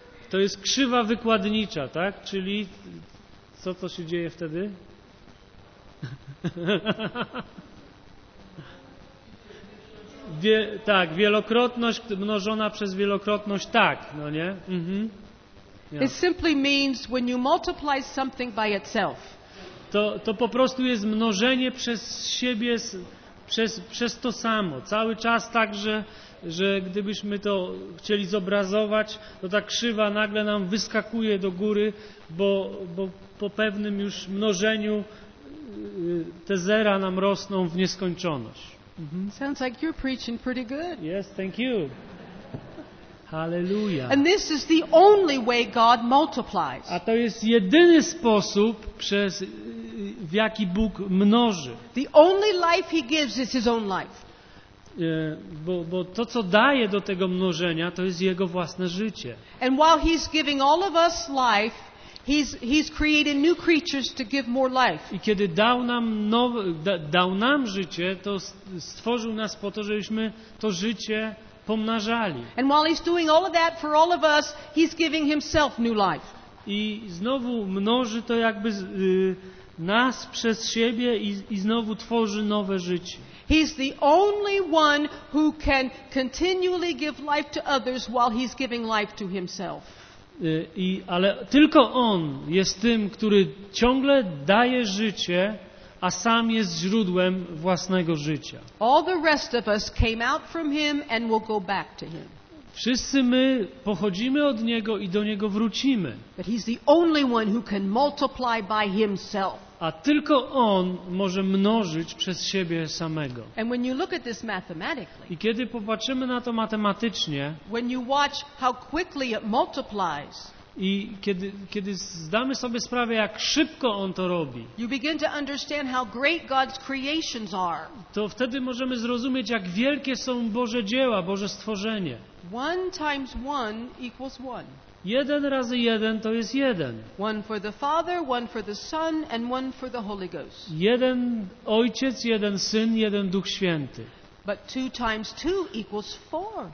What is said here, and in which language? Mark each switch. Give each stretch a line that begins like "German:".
Polish: To jest krzywa wykładnicza, tak? Czyli co się dzieje wtedy? Tak, wielokrotność mnożona przez wielokrotność, tak, no nie?
English: Yeah. It simply means when you multiply something by itself.
Polish: To po prostu jest mnożenie przez siebie, przez to samo. Cały czas tak, że gdybyśmy to chcieli zobrazować, to ta krzywa nagle nam wyskakuje do góry, bo po pewnym już mnożeniu te zera nam rosną w nieskończoność.
English: Sounds like you're preaching pretty good. Yes, thank you. Hallelujah. And this is the only way God multiplies.
Polish: A to jest jedyny sposób, przez w jaki Bóg mnoży.
English: The only life he gives is his own life.
Polish: Bo to, co daje do tego mnożenia, to jest jego własne życie.
English: And while he's giving all of us life, He's created new creatures to give more life.
Polish: I kiedy dał nam nowe, dał nam życie, to stworzył nas po to, żebyśmy to życie pomnażali.
English: And while he's doing all of that for all of us, he's giving himself new life.
Polish: I znowu mnoży to jakby nas przez siebie i znowu tworzy nowe życie.
English: He's the only one who can continually give life to others while he's giving life to himself.
Polish: Ale tylko On jest tym, który ciągle daje życie, a sam jest źródłem własnego życia.
English: All the rest of us came out from Him and will go back to Him.
Polish: Wszyscy my pochodzimy od Niego i do Niego wrócimy.
English: But He's the only one who can multiply by Himself.
Polish: A tylko On może mnożyć przez siebie samego.
English: And when you look at this mathematically,
Polish: i kiedy popatrzymy na to matematycznie,
English: when you watch how quickly it multiplies,
Polish: i kiedy zdamy sobie sprawę, jak szybko On to robi,
English: you begin to understand how great God's creations are.
Polish: To wtedy możemy zrozumieć, jak wielkie są Boże dzieła, Boże stworzenie.
English: One times one equals one.
Polish: Jeden razy jeden to jest jeden.
English: One for the Father, one for the Son, and one for the Holy Ghost.
Polish: Jeden Ojciec, jeden Syn, jeden Duch Święty.
English: But two times two equals four.